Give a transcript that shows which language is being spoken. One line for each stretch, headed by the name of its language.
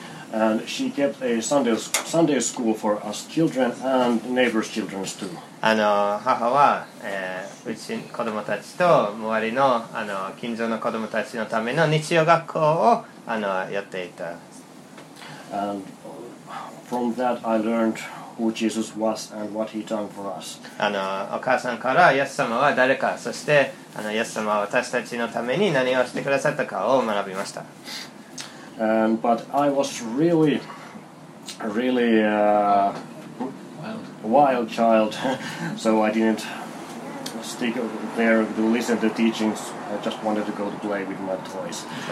English: And she kept a Sunday school for us children and neighbors' children too.
Japanese: あの、母はうちの子供たちと周りの近所の子供たちのための日曜学校をやっていた。
English: And from that I learned who Jesus was and what he done for us.
Japanese: あの、お母さんからイエス様は誰か、そしてイエス様は私たちのために何をしてくださったかを学びました。
English: But I was really, really a wild child, so I didn't stick there to listen to teachings. I just wanted to go to play with my toys.